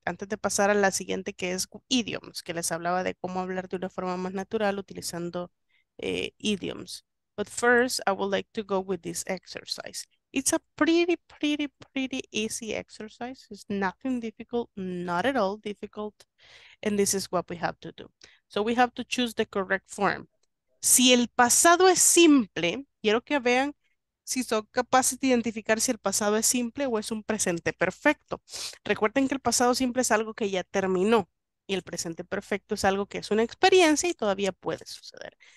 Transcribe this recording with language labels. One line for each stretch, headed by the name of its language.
Spanish: Antes de pasar a la siguiente, que es idioms, que les hablaba de cómo hablar de una forma más natural utilizando idioms.
English: But first, I would like to go with this exercise. It's a pretty, pretty, pretty easy exercise. It's nothing difficult, not at all difficult. And this is what we have to do. So we have to choose the correct form.
Spanish: Si el pasado es simple, quiero que vean si son capaces de identificar si el pasado es simple o es un presente perfecto. Recuerden que el pasado simple es algo que ya terminó. Y el presente perfecto es algo que es una experiencia y todavía puede suceder.